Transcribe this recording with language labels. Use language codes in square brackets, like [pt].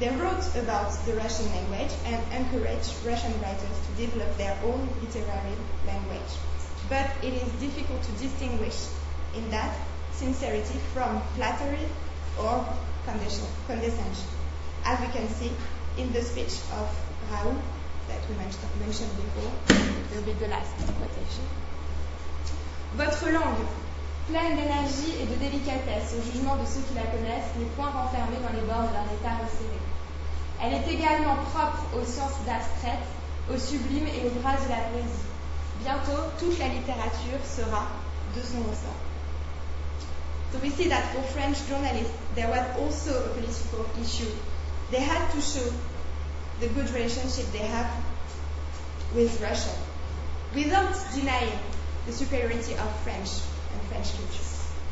[en] They wrote about the Russian language and encouraged Russian writers to develop their own literary language. But it is difficult to distinguish in that sincerity from flattery or condescension. as we can see in the speech of Raoul that we mentioned before. It will be the last quotation. [fr] Votre langue, pleine d'énergie et de délicatesse au jugement de ceux qui la connaissent, n'est point renfermée dans les bornes d'un état resserré. Elle est également propre aux sciences abstraites, au sublime et aux grâces de la poésie. Bientôt, toute la littérature sera de son ressort. [en] So we see that for French journalists, there was also a political issue. They had to show the good relationship they have with Russia, without denying the superiority of French and French culture.